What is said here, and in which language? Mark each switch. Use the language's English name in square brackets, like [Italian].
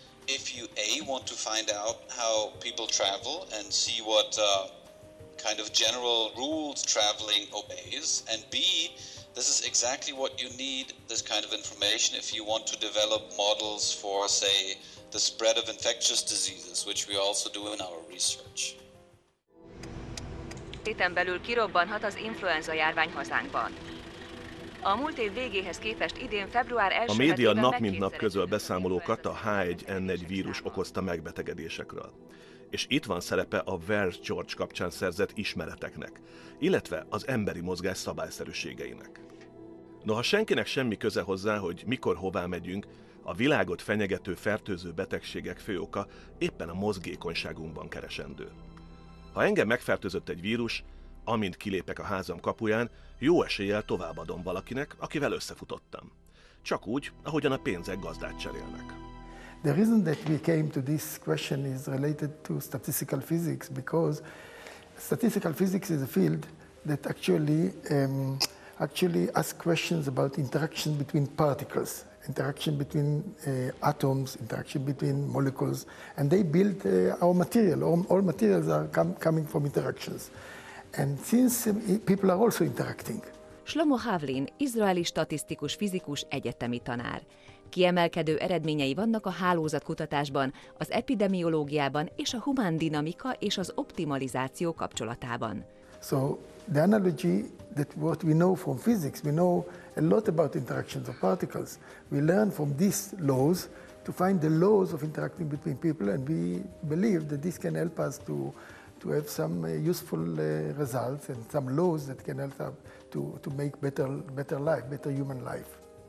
[English] if you A, want to find out how people travel and see what kind of general rules traveling obeys, and B, this is exactly what you need, this kind of information, if you want to develop models for, say, the spread of infectious diseases, which we also do in our research. [Hungarian] Héten belül kirobbanhat az influenza járvány hazánkban. A múlt év végéhez képest idén február 1-én a média nap mint nap közöl beszámolókat a H1N1 vírus okozta megbetegedésekről. És itt van szerepe a Verge George kapcsán szerzett ismereteknek, illetve az emberi mozgás szabályszerűségeinek. Noha senkinek semmi köze hozzá, hogy mikor hová megyünk, a világot fenyegető fertőző betegségek fő oka éppen a mozgékonyságunkban keresendő. Ha engem megfertőzött egy vírus, amint kilépek a házam kapuján, jó eséllyel továbbadom valakinek, akivel összefutottam. Csak úgy, ahogyan a pénzek gazdát cserélnek. [English] The reason that we came to this question is related to statistical physics, because statistical physics is a field that actually asks questions about interaction between particles, interaction between atoms, interaction between molecules, and they build our material. All materials are coming from interactions. And since people are also interacting. [Hungarian] Shlomo Havlin, izraeli statisztikus fizikus egyetemi tanár. Kiemelkedő eredményei vannak a hálózatkutatásban, az epidemiológiában és a humán dinamika és az optimalizáció kapcsolatában. [English] So the analogy that what we know from physics, we know a lot about interactions of particles. We learn from these laws to find the laws of interacting between people, and we believe that this can help us to have some useful results and some laws that can help us to make better life, better human life.